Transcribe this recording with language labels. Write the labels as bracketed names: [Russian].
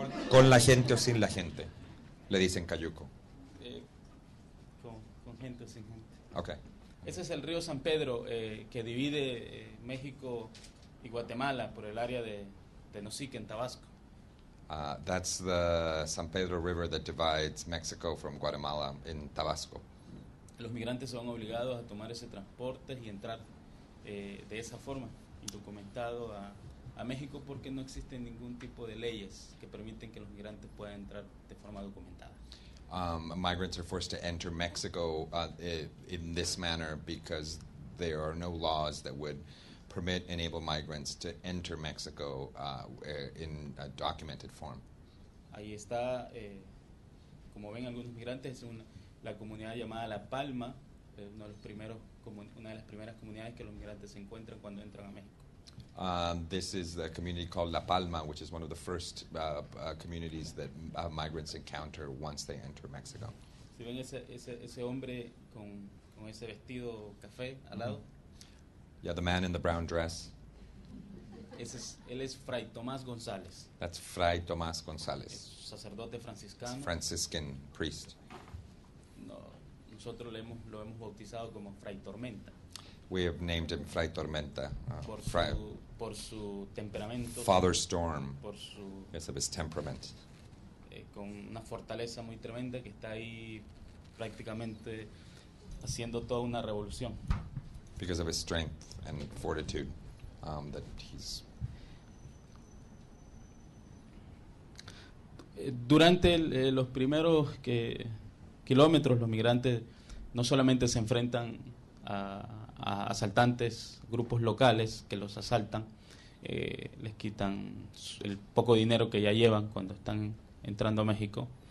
[Spanish] ¿Con la gente o sin la gente? Le dicen cayuco. Con gente o sin gente. Okay. Ese es el río San Pedro que divide México y Guatemala por el área de Tenosique en Tabasco. [English] That's the San Pedro River that divides Mexico from Guatemala in Tabasco. [Spanish] Los migrantes se van obligados a tomar ese transporte y entrar de esa forma, indocumentado a México, porque no existen ningún tipo de leyes que permiten que los migrantes puedan entrar de forma documentada. [English] Migrants are forced to enter Mexico in this manner because there are no laws that would permit enable migrants to enter Mexico in a documented form. [Spanish] Ahí está, como ven algunos migrantes, es una la comunidad llamada La Palma, una de las primeras comunidades que los migrantes se encuentran cuando entran a México. [English] This is a community called La Palma, which is one of the first communities that migrants encounter once they enter Mexico. [Spanish] Si ven ese hombre con ese vestido café al lado. [English] Yeah, the man in the brown dress. [Spanish] Él es Fray Tomás González. [English] That's Fray Tomás González. [Spanish] Es sacerdote franciscano. [English] Franciscan priest. [Spanish] No, nosotros lo hemos bautizado como Fray Tormenta. [English] We have named him Fray Tormenta. [Spanish] Por su temperamento. [English] Father Storm. [Spanish] Por su. [English] Because of his temperament. [Spanish] Con una fortaleza muy tremenda que está ahí prácticamente haciendo toda una revolución. [English] Because of his strength and fortitude, that he's. [Spanish] Durante los primeros que kilómetros, los migrantes no solamente se enfrentan a asaltantes, grupos locales que los asaltan, les quitan el poco dinero que ya llevan cuando están entrando a México.